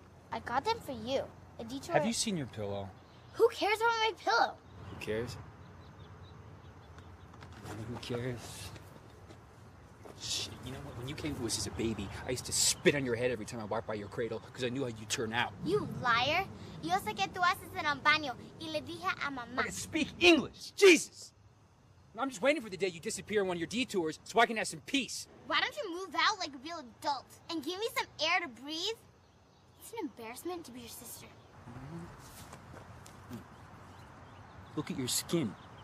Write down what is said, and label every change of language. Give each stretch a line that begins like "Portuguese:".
English: I got them for you. A detour. Have you seen your pillow? Who cares about my pillow? Who cares? Who cares? Shit, you know what? When you came to us as a baby, I used to spit on your head every time I walked by your cradle because I knew how you'd turn out. You liar!
Spanish: Yo sé que tú haces en el baño y le dije a mamá.
English: I can speak English! Jesus! I'm just waiting for the day you disappear on one of your detours so I can have some peace. Why don't you move out like a real adult and give me some air to breathe? It's an embarrassment to be your sister. Look at your skin.